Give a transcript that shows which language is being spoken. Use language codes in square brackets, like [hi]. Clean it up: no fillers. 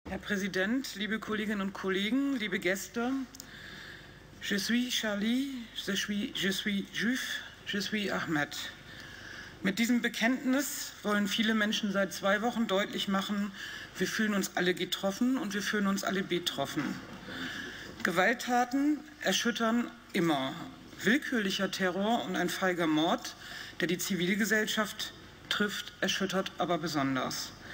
[de] Herr Präsident, liebe Kolleginnen und Kollegen, liebe Gäste. [fr] Je suis Charlie, je suis Juif, je suis Ahmed. [de] Mit diesem Bekenntnis wollen viele Menschen seit 2 Wochen deutlich machen, wir fühlen uns alle getroffen und wir fühlen uns alle betroffen. Gewalttaten erschüttern immer. Willkürlicher Terror und ein feiger Mord, der die Zivilgesellschaft trifft, erschüttert aber besonders.